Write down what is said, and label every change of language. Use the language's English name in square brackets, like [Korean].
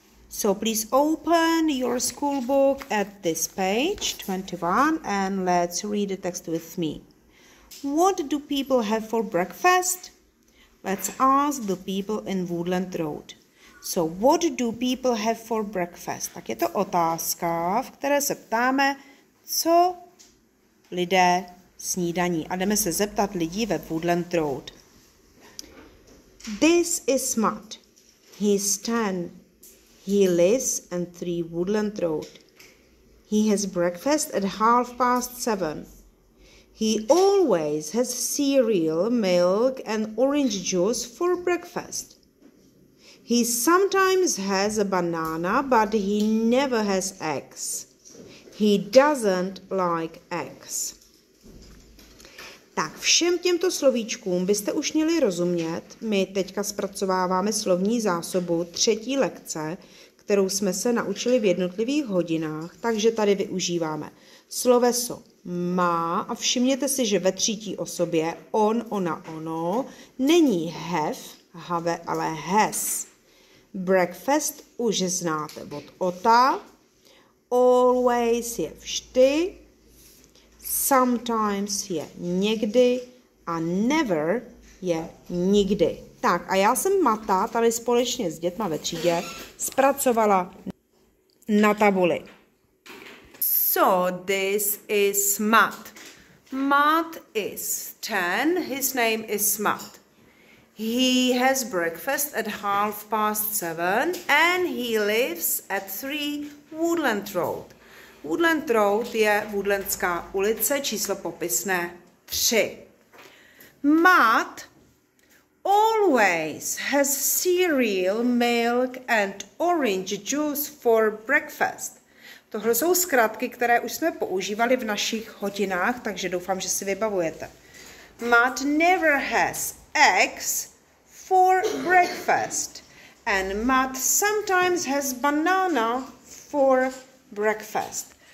[English] So please open your school book at this page 21 and let's read the text with me. What do people have for breakfast? Let's ask the people in Woodland Road. So what do people have for breakfast? [Czech] Tak je to otázka, v které se ptáme, co lidé snídaní. A jdeme se zeptat lidí ve Woodland Road. [English] This is Matt. He's 10. He lives in 3 Woodland Road. He has breakfast at 7:30. He always has cereal, milk and orange juice for breakfast. He sometimes has a banana, but he never has eggs. He doesn't like eggs. [Czech] Tak všem těmto slovíčkům byste už měli rozumět. My teďka zpracováváme slovní zásobu 3. lekce, kterou jsme se naučili v jednotlivých hodinách, takže tady využíváme sloveso má a všimněte si, že ve 3. osobě on, ona, ono není have, ale has. Breakfast už znáte od ota, always je vždy, sometimes je někdy a never je nikdy. Tak a já jsem Mata tady společně s dětma ve třídě zpracovala na tabuli. [English] So this is Matt. Matt is 10. His name is Matt. He has breakfast at 7:30 and he lives at 3 Woodland Road. [Czech] Woodland Road je Woodlandská ulice, číslo popisné 3. [English] Matt always has cereal, milk and orange juice for breakfast. [Czech] Tohle jsou zkratky, které už jsme používali v našich hodinách, takže doufám, že si vybavujete. [English] Matt never has eggs for breakfast. And Matt sometimes has banana for breakfast.